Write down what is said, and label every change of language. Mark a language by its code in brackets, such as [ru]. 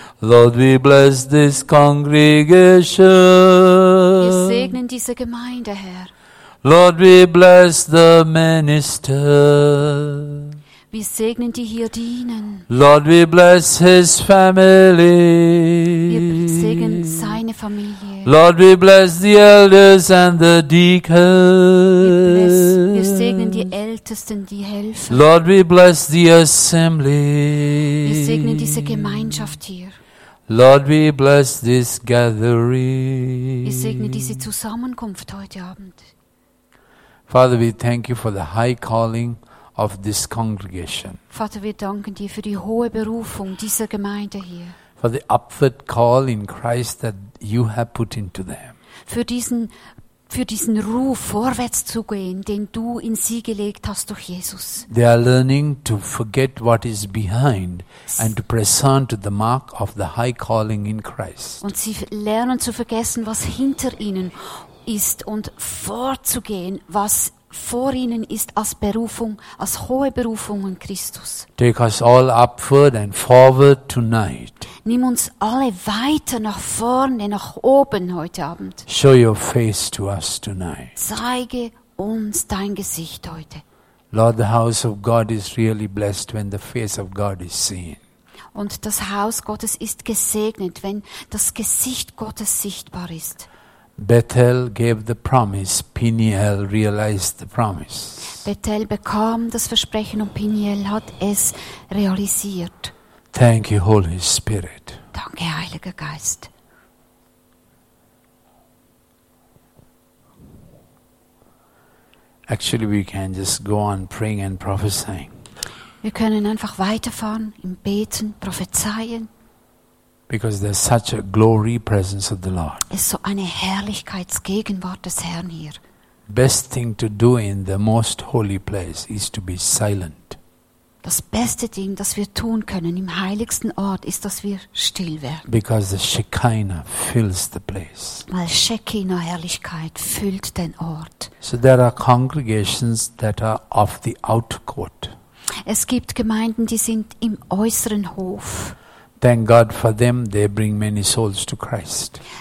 [en] Lord, we bless this congregation. [de] Wir segnen diese Gemeinde, Herr. [en] Lord, we bless the minister. [de] Wir segnen die hier dienen. [en] Lord, we bless his family. [de] Wir segnen seine Familie. [en] Lord, we bless the elders and the deacons. [de] Wir segnen die Ältesten, die helfen. [en] Lord, we bless the assembly. [de] Wir segnen diese Gemeinschaft hier. [en] Lord, we bless this gathering. [de] Ich segne diese Zusammenkunft heute Abend. [en] Father, we thank you for the high calling of this congregation. [de] Vater, wir danken dir für die hohe Berufung dieser Gemeinde hier. [en] For the upward call in Christ that you have put into them. [de] Für diesen für diesen Ruf vorwärts zu gehen, den du in sie gelegt hast durch Jesus. [en] They are learning to forget what is behind and to press on to the mark of the high calling in Christ. [de] Und sie lernen zu vergessen, was hinter ihnen ist und vorzugehen, was vor ihnen ist als Berufung, als hohe Berufung in Christus. [en] Take us all upward and forward tonight. [de] Nimm uns alle weiter nach vorne, nach oben heute Abend. [en] Show your face to us tonight. [de] Zeige uns dein Gesicht heute. [en] Lord, the house of God is really blessed when the face of God is seen. [de] Und das Haus Gottes ist gesegnet, wenn das Gesicht Gottes sichtbar ist. [en] Bethel gave the promise, Peniel realized the promise. [de] Bethel bekam das Versprechen und Peniel hat es realisiert. [en] Thank you, Holy Spirit. [de] Danke, Heiliger Geist. [en] Actually, we can just go on praying and prophesying. [de] Wir können einfach weiterfahren im Beten, prophezeien. [en] Because there's such a glory presence of the Lord. [de] Es ist so eine Herrlichkeitsgegenwart des Herrn hier. [en] Best thing to do in the most holy place is to be silent. [de] Das beste Ding, das wir tun können im heiligsten Ort, ist, dass wir still werden. [en] Because the Shekinah fills the place. [de] Weil Shekinah Herrlichkeit füllt den Ort. [en] So there are congregations that are of the outer court. [de] Es gibt Gemeinden, die sind im äußeren Hof. [en] Thank God for them, they bring many souls to Christ.